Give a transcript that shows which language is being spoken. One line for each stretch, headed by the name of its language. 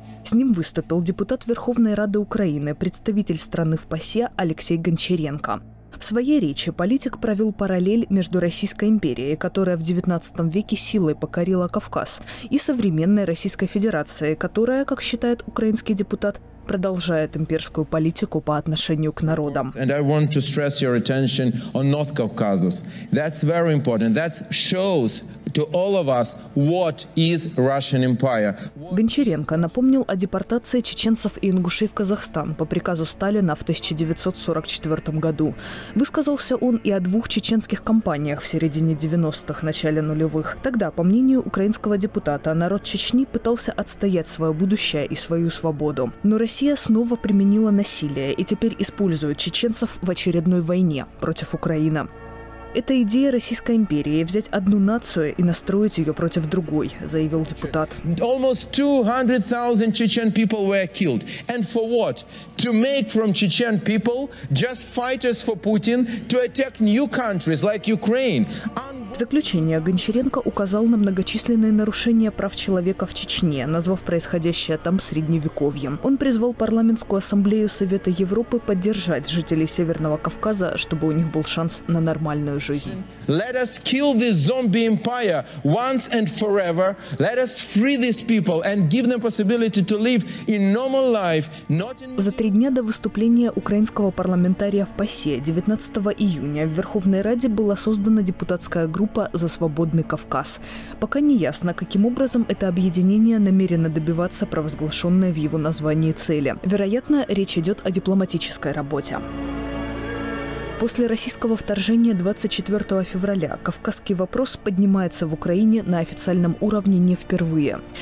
Russian: С ним выступил депутат Верховной Рады Украины, представитель страны в ПАСЕ Алексей Гончаренко. В своей речи политик провел параллель между Российской империей, которая в XIX веке силой покорила Кавказ, и современной Российской Федерацией, которая, как считает украинский депутат, продолжает имперскую политику по отношению к народам.
English: And I want to stress your attention on North Caucasus. That's very important. That shows to all of us what is Russian Empire.
Russian: Гончаренко напомнил о депортации чеченцев и ингушей в Казахстан по приказу Сталина в 1944 году. Высказался он и о двух чеченских кампаниях в середине 90-х, начале нулевых. Тогда, по мнению украинского депутата, народ Чечни пытался отстоять свое будущее и свою свободу. Но Россия снова применила насилие и теперь использует чеченцев в очередной войне против Украины. «Это идея Российской империи – взять одну нацию и настроить ее против другой», – заявил депутат.
English: Almost 200,000 Chechen people were killed. And for what? To make from Chechen people just fighters for Putin to attack new countries like Ukraine.
Russian: В заключение Гончаренко указал на многочисленные нарушения прав человека в Чечне, назвав происходящее там средневековьем. Он призвал Парламентскую ассамблею Совета Европы поддержать жителей Северного Кавказа, чтобы у них был шанс на нормальную жизнь.
English: Let us kill this zombie empire once and forever. Let us free these people and give them possibility to live in normal life.
Russian: За 3 дня до выступления украинского парламентария в ПАСЕ 19 июня в Верховной Раде была создана депутатская группа «За свободный Кавказ». Пока не ясно, каким образом это объединение намерено добиваться провозглашенной в его названии цели. Вероятно, речь идет о дипломатической работе. После российского вторжения 24 февраля кавказский вопрос поднимается в Украине на официальном уровне не впервые.